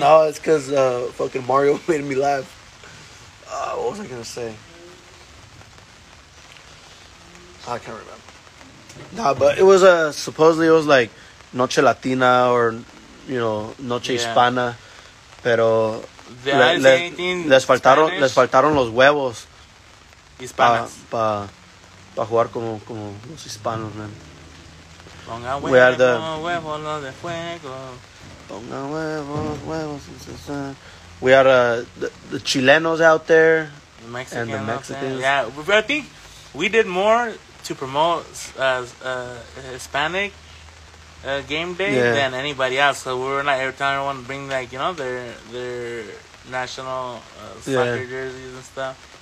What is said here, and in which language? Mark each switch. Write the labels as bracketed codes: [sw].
[en] No, it's because fucking Mario made me laugh. What was I going to say? I can't remember. Nah, but it was supposedly it was like Noche Latina or, you know, Noche Hispana. [es] Pero les faltaron los huevos. Hispanas. Pa jugar como los hispanos, man. Ponga huevos, huevos, los de fuego. Ponga huevos, huevos. [en] We are the Chilenos out there. The Mexicans. Yeah, I think we did more to promote Hispanic game day than anybody else. So we're not every time everyone bring, like, you know, their national soccer jerseys and stuff.